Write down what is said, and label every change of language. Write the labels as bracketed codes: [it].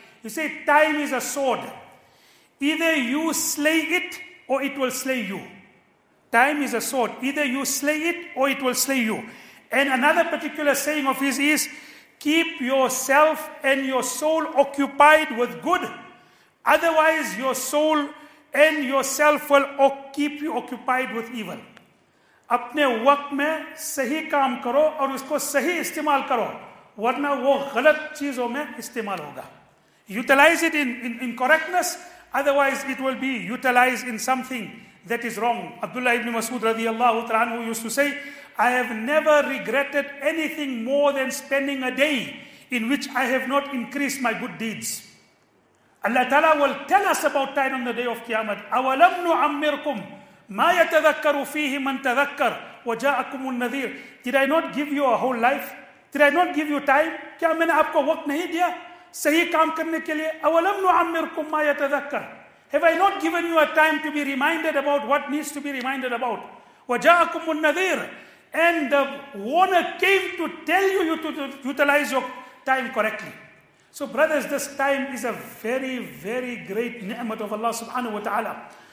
[en] He said, time is a sword. Either you slay it or it will slay you. Time is a sword. Either you slay it or it will slay you. And another particular saying of his is, keep yourself and your soul occupied with good. Otherwise, your soul and yourself will keep you occupied with evil. [ur] اپنے وقت میں صحیح کام کرو اور اس کو صحیح استعمال کرو, ورنہ وہ غلط چیزوں میں استعمال ہوگا. [en] Utilize it in correctness, otherwise it will be utilized in something that is wrong. Abdullah ibn Masud [ar] رضی اللہ تعالیٰ عنہ [en] used to say, I have never regretted anything more than spending a day in which I have not increased my good deeds. Allah Ta'ala will tell us about time on the day of Qiyamah. [ar] أَوَلَمْ نُعَمِّرْكُمْ مَا يَتَذَكَّرُ فِيهِ مَنْ تَذَكَّرْ وَجَاءَكُمُ النَّذِيرُ. [en] Did I not give you a whole life? Did I not give you time? [ur] کیا میں نے آپ کو وقت نہیں دیا صحیح کام کرنے کے لئے؟ [ar] أَوَلَمْ نُعَمِّرْكُمْ مَا يَتَذَكَّرْ. [en] Have I not given you a time to be reminded about what needs to be reminded about? [ar] وَجَاءَكُمُ النَّذِيرُ. [en] And the warner came to tell you to utilize your time correctly. So brothers, this time is a very, very great ni'mat of Allah subhanahu wa ta'ala.